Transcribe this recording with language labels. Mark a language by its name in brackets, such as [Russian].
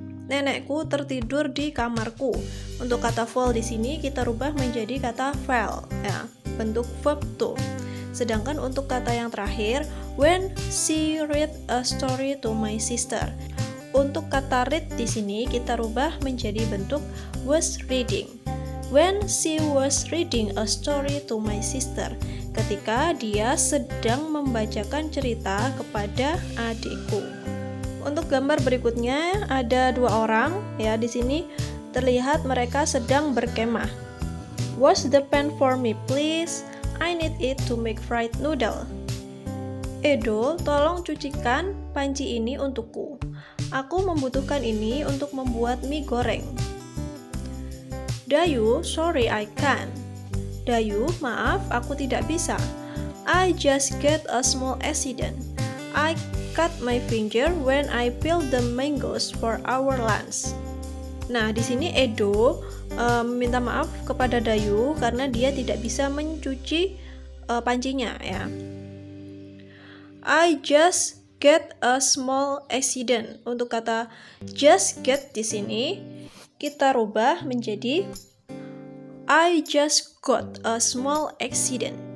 [Indonesian] Nenekku tertidur di kamarku. Untuk kata fall di sini kita rubah menjadi kata fell ya, bentuk verb to. Sedangkan untuk kata yang terakhir, [English] when she read a story to my sister. [Indonesian] Untuk kata read di sini kita rubah menjadi bentuk was reading. [English] When she was reading a story to my sister. [Indonesian] Ketika dia sedang membacakan cerita kepada adikku. Untuk gambar berikutnya ada dua orang ya, di sini terlihat mereka sedang berkemah. [English] Wash the pan for me please. I need it to make fried noodle. [Indonesian] Edo, tolong cucikan panci ini untukku. Aku membutuhkan ini untuk membuat mie goreng. Dayu, [English] sorry I can't. [Indonesian] Dayu, maaf aku tidak bisa. [English] I just get a small accident. I cut my finger when I peel the mangoes for our lunch. [Indonesian] Nah, di sini Edo minta maaf kepada Dayu karena dia tidak bisa mencuci pancinya ya. [English] I just get a small accident. [Indonesian] Untuk kata just get di sini kita rubah menjadi [English] I just got a small accident.